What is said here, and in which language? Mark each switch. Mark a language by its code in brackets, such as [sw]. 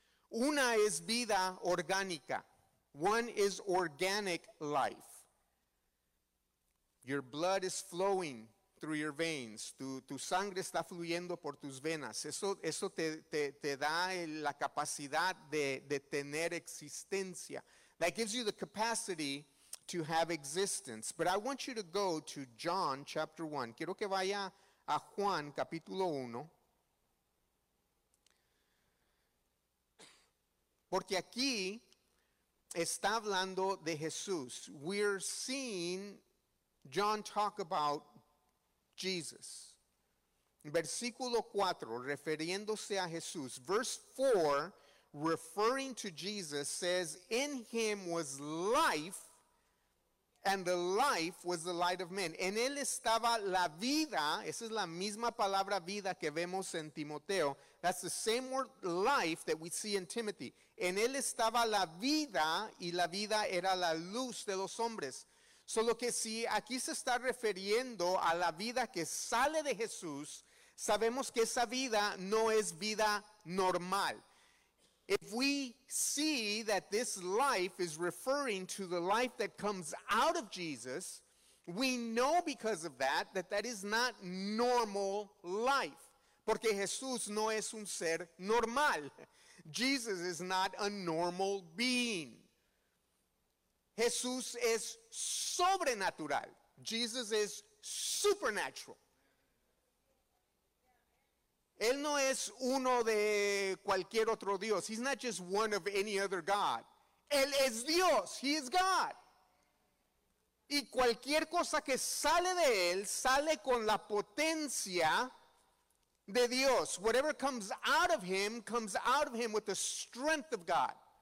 [es] Una es vida orgánica. [en] One is organic life. Your blood is flowing through your veins. [es] Tu sangre está fluyendo por tus venas. Eso te da la capacidad de tener existencia. [en] That gives you the capacity to have existence. But I want you to go to John chapter 1. [es] Quiero que vaya a Juan capítulo 1. Porque aquí está hablando de Jesús. [en] We're seeing John talk about Jesus. [es] Versículo 4, refiriéndose a Jesús. [en] Verse 4, referring to Jesus, says, in him was life, and the life was the light of men. [es] En él estaba la vida. Esa es la misma palabra vida que vemos en Timoteo. [en] That's the same word life that we see in Timothy. [es] En él estaba la vida, y la vida era la luz de los hombres. Solo que si aquí se está refiriendo a la vida que sale de Jesús, sabemos que esa vida no es vida normal. [en] If we see that this life is referring to the life that comes out of Jesus, we know because of that, that that is not normal life. [es] Porque Jesús no es un ser normal. [en] Jesus is not a normal being. [es] Jesús es sobrenatural. [en] Jesus is supernatural. [es] Él no es uno de cualquier otro Dios. [en] He's not just one of any other God. [es] Él es Dios. [en] He is God. [es] Y cualquier cosa que sale de Él, sale con la potencia de Dios. [en] Whatever comes out of Him, comes out of Him with the strength of God.